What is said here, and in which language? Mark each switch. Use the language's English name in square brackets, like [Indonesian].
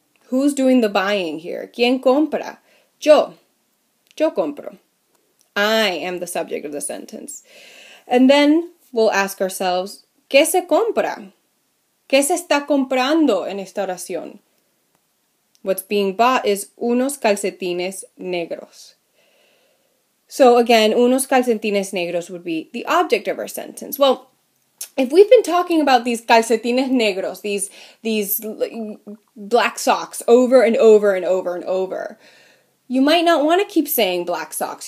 [English] Who's doing the buying here? [Spanish] ¿Quién compra? Yo. Yo compro. [English] I am the subject of the sentence. And then we'll ask ourselves, [Spanish] ¿qué se compra? ¿Qué se está comprando en esta oración? [English] What's being bought is [Spanish] unos calcetines negros. [English] So again, [Spanish] unos calcetines negros [English] would be the object of our sentence. Well, if we've been talking about these [Spanish] calcetines negros, [English] these black socks over and over and over and over, you might not want to keep saying black socks.